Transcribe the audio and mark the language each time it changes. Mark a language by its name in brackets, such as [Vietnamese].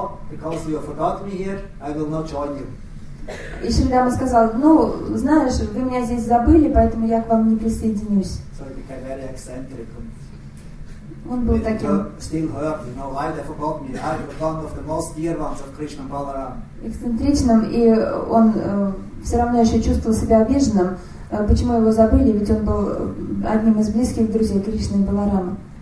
[English] Because you forgot me here, I will not join you. [Russian] И Шридама сказал, ну, знаешь, вы меня здесь забыли, поэтому я к вам не присоединюсь. [English] So it became very eccentric. [Russian] Он был таким. [English] Still hurt, you know, why they forgot me? I was one of the most dear ones of Krishna Balaram. [Russian] Эксцентричным, и он все равно еще чувствовал себя обиженным. Почему его забыли? Ведь он был одним из близких друзей Кришны Баларама.